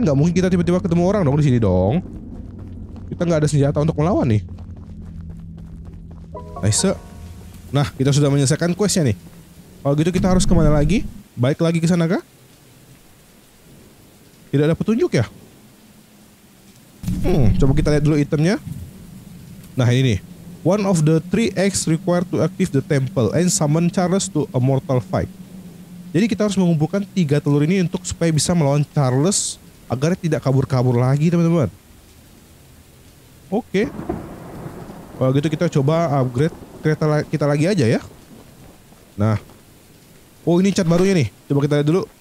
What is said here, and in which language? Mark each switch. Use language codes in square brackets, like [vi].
[id] Gak mungkin kita tiba-tiba ketemu orang dong di sini dong. Kita gak ada senjata untuk melawan nih. [en] Nice. [id] Nah, kita sudah menyelesaikan questnya nih. Kalau gitu kita harus kemana lagi? Balik lagi ke sana kah? Tidak ada petunjuk ya? Coba kita lihat dulu itemnya. Nah, ini nih. [en] One of the 3X required to active the temple and summon Charles to a mortal fight. [id] Jadi kita harus mengumpulkan 3 telur ini untuk supaya bisa melawan Charles agar tidak kabur-kabur lagi, teman-teman. Oke. Kalau gitu kita coba upgrade kereta kita lagi aja ya. Nah. Oh, ini cat barunya nih. Coba kita lihat dulu.